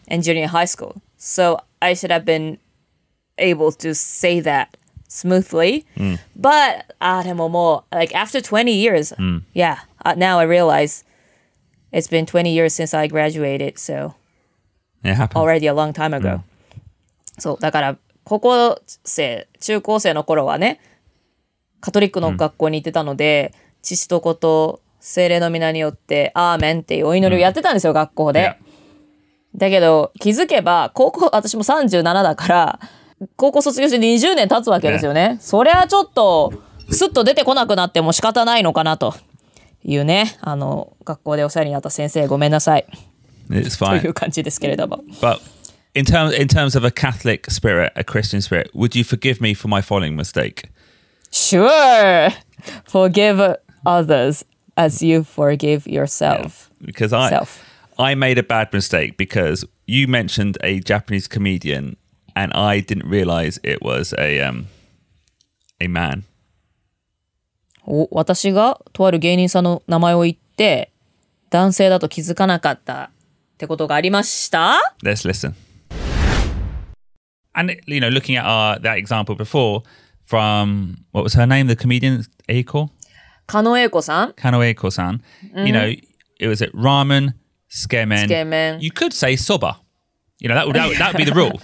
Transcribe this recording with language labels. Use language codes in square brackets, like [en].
[en] And junior high school. So I should have been able to say that smoothly.、 Mm. But [ja] でももう [en] like after 20 years,、 mm. yeah, now I realize it's been 20 years since I graduated. So it happened already a long time ago.、Mm. [ja] そうだから高校生中高生の頃はねカトリックの学校に行ってたので、うん、父と子と聖霊の御名によってアーメンっていうお祈りをやってたんですよ、うん、学校で、yeah. だけど気づけば高校私も37だから高校卒業して20年経つわけですよね、yeah. それはちょっとスッと出てこなくなっても仕方ないのかなというねあの学校でお世話になった先生ごめんなさい [en] It's fine. [ja] という感じですけれども [en] butIn terms of a Catholic spirit, a Christian spirit, would you forgive me for my falling mistake? Sure. Forgive others as you forgive yourself. Yeah, because I made a bad mistake because you mentioned a Japanese comedian and I didn't realize it was a man. [ja] 私がとある芸人さんの名前を言って男性だと気づかなかったってことがありました? [en] Let's listen. And, you know, looking at that example before, from, what was her name, the comedian, Eiko? Kano Eiko-san. Kano Eiko-san.、Mm-hmm. You know, it was ramen, tsukemen. You could say soba. You know, that would be the rule.